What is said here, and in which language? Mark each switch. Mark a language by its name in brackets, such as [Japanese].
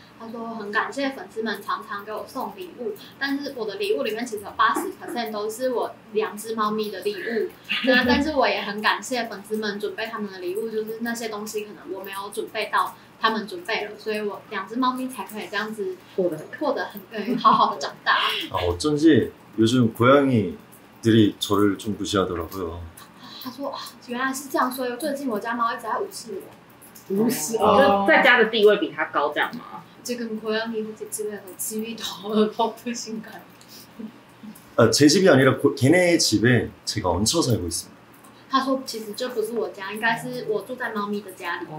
[Chinese] 他说很感谢粉丝们常常给我送礼物但是我的礼物里面其实有 80% 都是我两只猫咪的礼物但是我也很感谢粉丝们准备他们的礼物就是那些东西可能我没有准备到他们准备了所以我两只猫咪才可以这样子获得很好好的长大 [Korean] 啊어쩐지요즘고양이들이저를좀무시하더라고요 [Chinese] 他说啊原来是这样所以最近我家猫一直在无视我无视啊就在家的地位比他高这样吗 [Korean] 지금고양이혹시집에서집이더높으신가요 아제집이아니라걔네집에제가얹혀살고있습니다 [Chinese] 他说其实这不是我家应该是我住在猫咪的家里